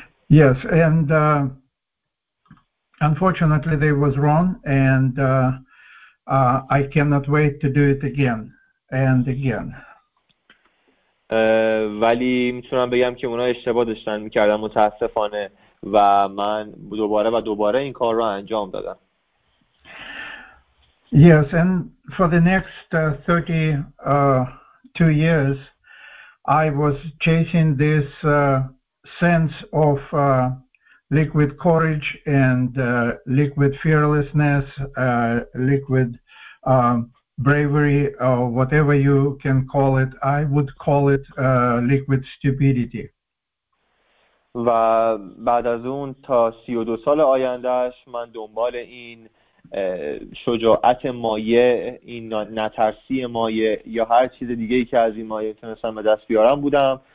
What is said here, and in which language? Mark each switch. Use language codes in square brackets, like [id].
[en] Yes, and unfortunately they was wrong and I cannot wait to do it again and again. [fa] ولی میتونم بگم که اونا اشتباه داشتن میکردن متاسفانه و من دوباره و دوباره این کار رو انجام دادم. [en] Yes, and for the next 32 years I was chasing this sense of liquid courage and liquid fearlessness, liquid bravery, or whatever you can call it. I would call it liquid stupidity. [fa] و بعد از اون تا 32 سال آیندهش من دنبال این شجاعت مایه، این نترسی مایه یا هر چیز دیگه ای که از این مایه تونستم به دست بیارم بودم.